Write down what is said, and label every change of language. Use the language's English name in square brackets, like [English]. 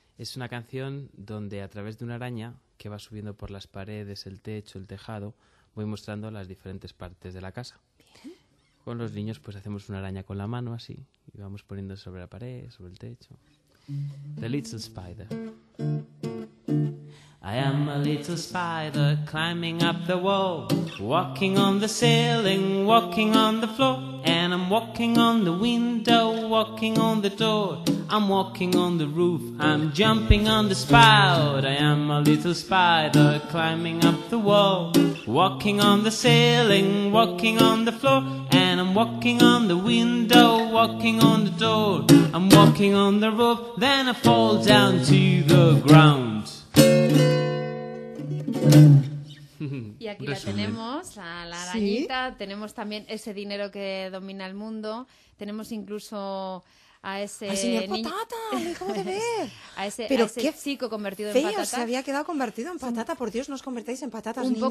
[Spanish] Es una canción donde a través de una araña que va subiendo por las paredes, el techo, el tejado, voy mostrando las diferentes partes de la casa. Con los niños pues hacemos una araña con la mano así y vamos poniendo sobre la pared, sobre el techo. [English] The little spider. I am a little spider climbing up the wall, walking on the ceiling, walking on the floor, and I'm walking on the window, walking on the door. I'm walking on the roof, I'm jumping on the spout. I am a little spider climbing up the wall, walking on the ceiling, walking on the floor, and I'm walking on the window, walking on the door. I'm walking on the roof, then I fall down to the ground. [Spanish] Y aquí la tenemos, a la arañita, ¿sí? Tenemos también ese dinero que domina el mundo, tenemos incluso a ese señor patata, ¿cómo te ves? A ese chico convertido en patata. Se había quedado convertido en patata, por Dios, ¿no os convertéis en patatas, niños?